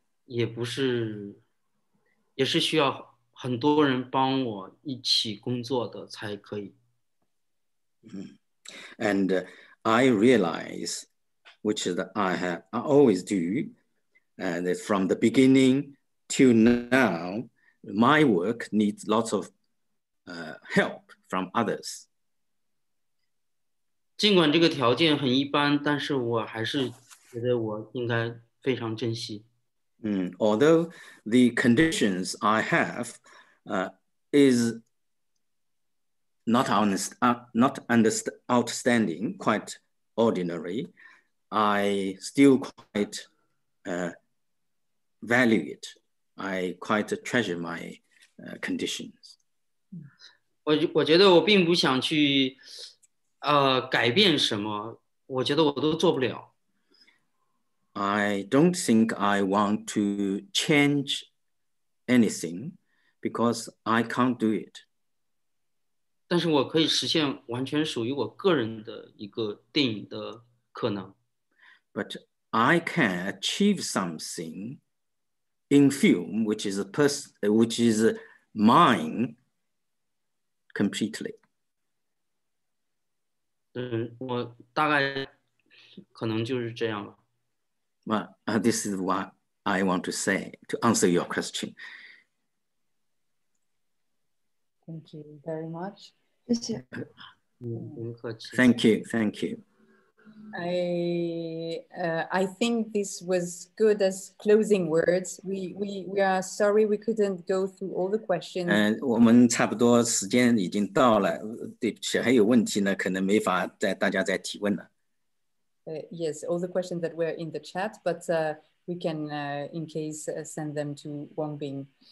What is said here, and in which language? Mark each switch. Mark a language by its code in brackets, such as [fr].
[zh] 也不是，也是需要很多人帮我一起工作的才可以。 [en] And I realize, which is that I have I always do, and that from the beginning till now, my work needs lots of help from others. [zh] 尽管这个条件很一般，但是我还是觉得我应该非常珍惜。 [en] Although the conditions I have is not outstanding, quite ordinary, I still quite value it. I quite treasure my conditions. [zh] 我觉得我并不想去改变什么，我觉得我都做不了。 [en] I don't think I want to change anything because I can't do it. [zh] 但是我可以实现完全属于我个人的一个电影的可能。 [en] But I can achieve something in film which is a which is mine completely. [zh] 我大概可能就是这样吧。 [en] Well, this is what I want to say to answer your question. Thank you very much. Thank you. Thank you. I think this was good as closing words. We are sorry we couldn't go through all the questions. [zh] 我们差不多时间已经到了，对不起，还有问题呢，可能没法再大家再提问了。 [en] Yes, all the questions that were in the chat, but we can, in case, send them to Wang Bing.